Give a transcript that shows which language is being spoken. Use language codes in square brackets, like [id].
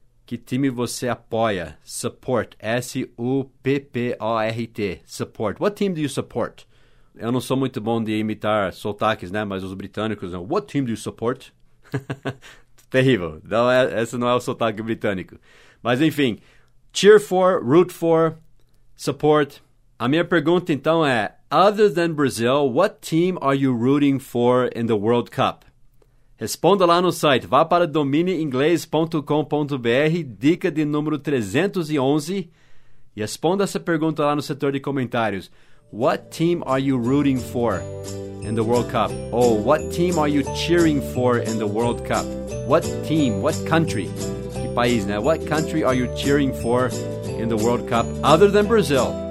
[pt] Que time você apoia? Support. S-U-P-P-O-R-T. Support. [en] What team do you support? [pt] Eu não sou muito bom de imitar sotaques, né? Mas os britânicos, não. [en] What team do you support? [pt] Terrível. Não é, esse não é o sotaque britânico. Mas enfim, [en] cheer for, root for, support. [pt] A minha pergunta então é, [en] other than Brazil, what team are you rooting for in the World Cup? [pt] Responda lá no site, vá para dominiinglês.com.br, dica de número 311, e responda essa pergunta lá no setor de comentários. [en] What team are you rooting for in the World Cup? Oh, what team are you cheering for in the World Cup? What team, what country? [pt] Que país, né? [en] What country are you cheering for in the World Cup other than Brazil?